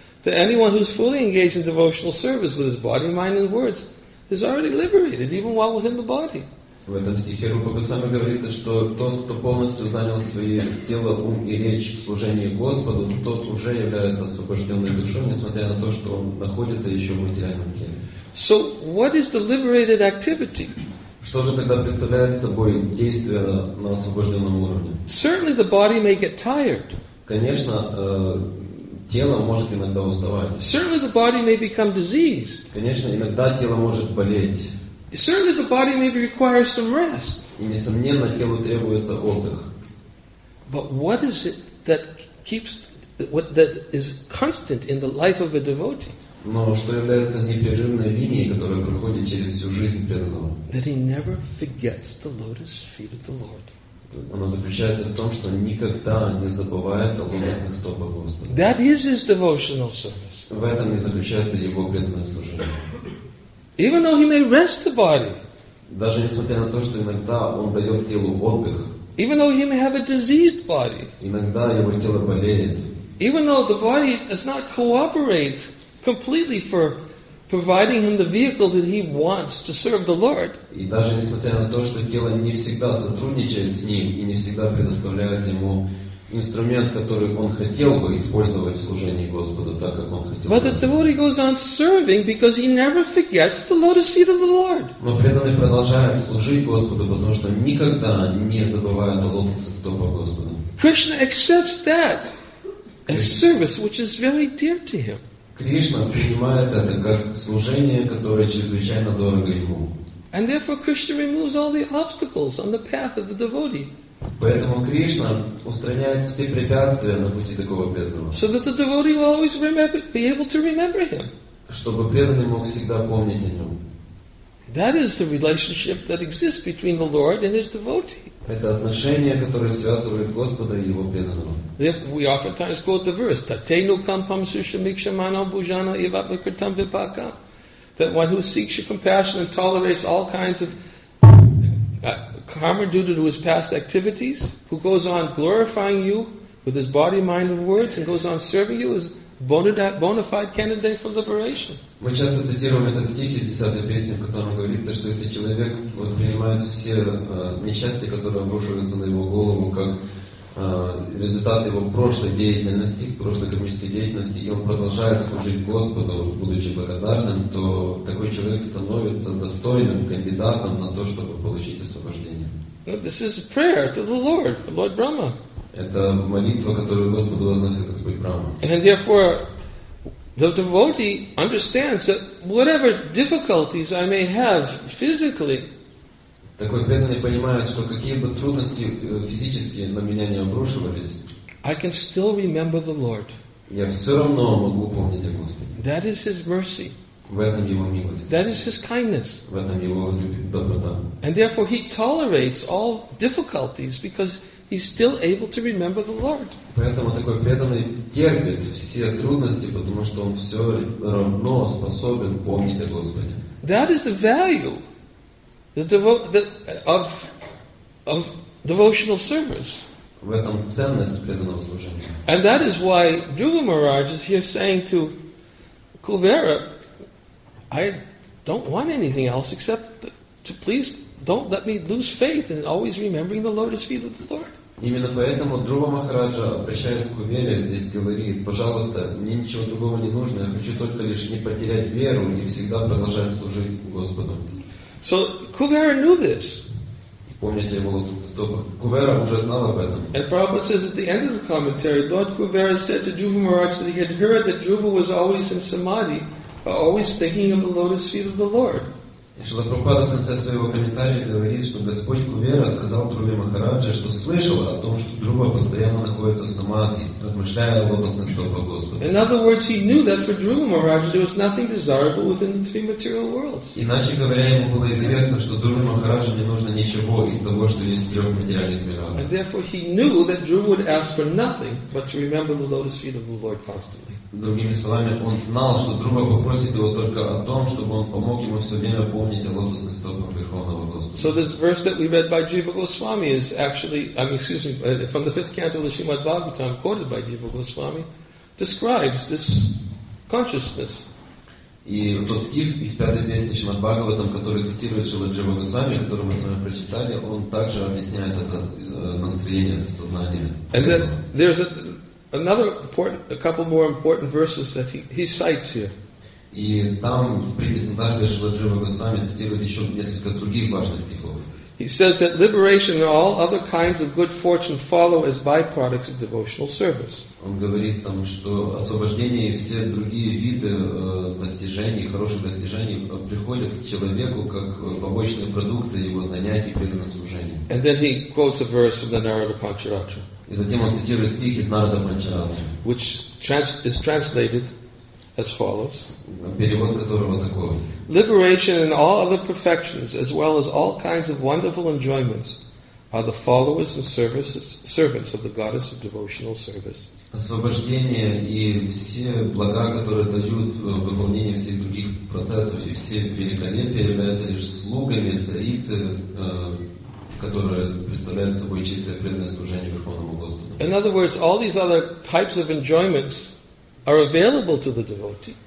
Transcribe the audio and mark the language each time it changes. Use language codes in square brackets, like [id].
[en] that anyone who's fully engaged in devotional service with his body, mind, and words is already liberated, even while within the body. [ru] В этом стихе Рупа Госвами говорится, что тот, кто полностью занял свое тело, ум и речь в служении Господу, тот уже является освобожденной душой, несмотря на то, что он находится еще в материальном теле. [en] So what is the liberated activity? [ru] Что же тогда представляет собой действие на освобожденном уровне? [en] Certainly the body may get tired. [ru] Конечно, тело может иногда уставать. [en] Certainly the body may become diseased. [ru] Конечно, иногда тело может болеть. [en] Certainly the body may require some rest. [ru] И, несомненно, телу требуется отдых. [en] But what is it that keeps, what that is constant in the life of a devotee? [ru] Но что является непрерывной линией, которая проходит через всю жизнь преданного? [en] That he never forgets the lotus feet of the Lord. [ru] Оно заключается в том, что никогда не забывает о лотосных стопах Господа. [en] That is his devotional service. [ru] В этом и заключается его преданное служение. [en] Even though he may rest the body. [ru] Даже несмотря на то, что иногда он дает телу отдых. [en] Even though he may have a diseased body. [ru] Иногда его тело болеет. [en] Even though the body does not cooperate completely for providing him the vehicle that he wants to serve the Lord. [ru] И даже несмотря на то, что тело не всегда сотрудничает с ним и не всегда предоставляет ему инструмент, который он хотел бы использовать в служении Господу, так как он хотел. [en] But the devotee goes on serving because he never forgets the lotus feet of the Lord. [ru] Но преданный продолжает служить Господу, потому что никогда не забывает о лотосных стопах Господа. [en] Krishna accepts that as service which is very dear to him. [ru] Кришна принимает это как служение, которое чрезвычайно дорого ему. [en] And therefore Krishna removes all the obstacles on the path of the devotee. [ru] Поэтому Кришна устраняет все препятствия на пути такого преданного. [en] So that the devotee will always be able to remember him. [ru] Чтобы преданный мог всегда помнить о нем. [en] That is the relationship that exists between the Lord and his devotee. [ru] Это отношение, которое связывает Господа и его преданного. [en] We oftentimes quote the verse: [sa] Tatenu kampam sushamiksha mano bhujana ivavakritam vipaka. [en] That one who seeks your compassion and tolerates all kinds of karma due to his past activities, who goes on glorifying you with his body, mind, and words, and goes on serving you, is bona fide candidate for liberation. [ru] Мы часто цитируем этот стих из 10-й песни, в котором говорится, что если человек воспринимает все несчастья, которые обрушиваются на его голову, как результат его прошлой деятельности, прошлой кармической деятельности, и он продолжает служить Господу, будучи благодарным, то такой человек становится достойным кандидатом на то, чтобы получить освобождение. [en] This is a prayer to the Lord, Lord Brahma. [ru] Это молитва, которую Господу возносит Господь Брахма. [en] And therefore, the devotee understands that whatever difficulties I may have physically, [ru] такой преданный понимает, что какие бы трудности физические на меня не обрушивались, [en] I can still remember the Lord. [ru] Я все равно могу помнить о Господе. [en] That is his mercy. [ru] В этом его милость. [en] That is his kindness. [ru] В этом его доброта. [en] And therefore he tolerates all difficulties because he's still able to remember the Lord. [ru] Поэтому такой преданный терпит все трудности, потому что он все равно способен помнить о Господе. [en] That is the value of devotional service. [ru] В этом ценность преданного служения. [en] And that is why Dhruva Maharaj is here saying to Kuvera, I don't want anything else except to please don't let me lose faith in always remembering the lotus feet of the Lord. [ru] Именно поэтому Дхрува Махараджа, обращаясь к Кувере, здесь говорит, пожалуйста, мне ничего другого не нужно, я хочу только лишь не потерять веру и всегда продолжать служить Господу. [en] So Kuvera knew this. [ru] Помните его лотосные стопы. Кувера уже знал об этом. [en] And Prabhupada says at the end of the commentary, Lord Kuvera said to Dhruva Maharaj that he had heard that Dhruva was always in samadhi, always thinking of the lotus feet of the Lord. [ru] И Шрила Прабхупада в конце своего комментария говорит, что Господь Кувера сказал Дхруве Махараджа, что слышал о том, что Дхрува постоянно находится в самадхи, размышляя о лотосных стопах Господа. [en] In other words, he knew that for Dhruva Maharaja there was nothing desirable within the three material worlds. [ru] Иначе говоря, ему было известно, что Дхруве Махараджа не нужно ничего из того, что есть в трех материальных мирах. [en] And therefore he knew that Dhruva would ask for nothing but to remember the lotus feet of the Lord constantly. [ru] Другими словами, он знал, что Дхрува попросит его только о том, чтобы он помог ему все время помнить о лотосных стопах Верховного Господа. [en] So this verse that we read by Jiva Goswami is actually, from the fifth canto of the Srimad Bhagavatam, quoted by Jiva Goswami, describes this consciousness. [ru] И тот стих из пятой песни Шримад-Бхагаватам, который цитирует Шрила Джива Госвами, который мы с вами прочитали, он также объясняет это настроение, это сознание. [en] And then there's a couple more important verses that he cites here. [ru] И там в Притисандарве Шрила Джива Госвами цитирует еще несколько других важных стихов. [en] He says that liberation and all other kinds of good fortune follow as byproducts of devotional service. [ru] Он говорит там, что освобождение и все другие виды достижений, хороших достижений приходят к человеку как побочные продукты его занятий преданным служением. [en] And then he quotes a verse from the Narada Pancharatra. [ru] И затем он цитирует стих из Нарада Панчаратры. [en] Which is translated as follows. [ru] Перевод которого такой. [en] Liberation and all other perfections, as well as all kinds of wonderful enjoyments, are the followers and servants of the goddess of devotional service. [ru] Освобождение и все блага, которые дают выполнение всех других процессов и все великолепия являются лишь слугами царицы, которая представляет собой чистое преданное служение Верховному Господу. [en] In other words, all these other types of enjoyments are available to the devotee.